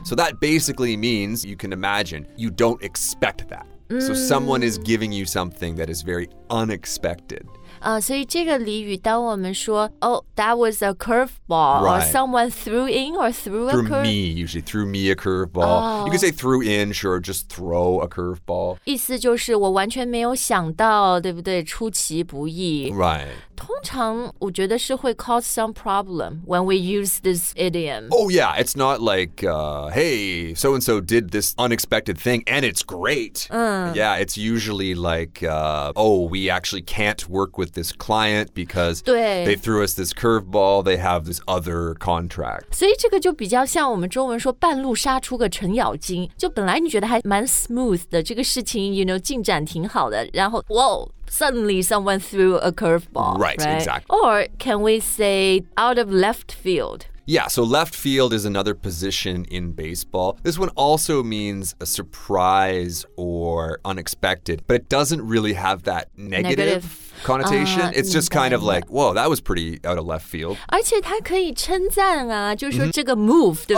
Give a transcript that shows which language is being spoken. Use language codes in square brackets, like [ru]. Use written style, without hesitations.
[en] So that basically means you can imagine you don't expect that. So someone is giving you something that is very unexpected. [zh] 所以这个俚语当我们说 [en] Oh, that was a curveball、 right. Or someone threw in or threw a curveball Threw me, usually threw me a curveball、 oh. You could say threw in, sure, just throw a curveball [zh] 意思就是我完全没有想到对不对出其不意 [en] Right [zh] 通常我觉得是会 [en] cause some problem When we use this idiom Oh yeah, it's not like、Hey, so-and-so did this unexpected thing And it's great、Yeah, it's usually like、Oh, we actually can't work with this client because they threw us this curveball, they have this other contract. [zh] 所以这个就比较像我们中文说半路杀出个程咬金就本来你觉得还蛮 smooth 的这个事情 [en] you know, [zh] 进展挺好的然后 [en] whoa, suddenly someone threw a curveball. Right, right, exactly. Or can we say out of left field? Yeah, so left field is another position in baseball. This one also means a surprise or unexpected, but it doesn't really have that negative, negative. Connotation. It's just kind of like, whoa, that was pretty out of left field. [zh] 而且它可以称赞啊，就是说这个 move,、对不对、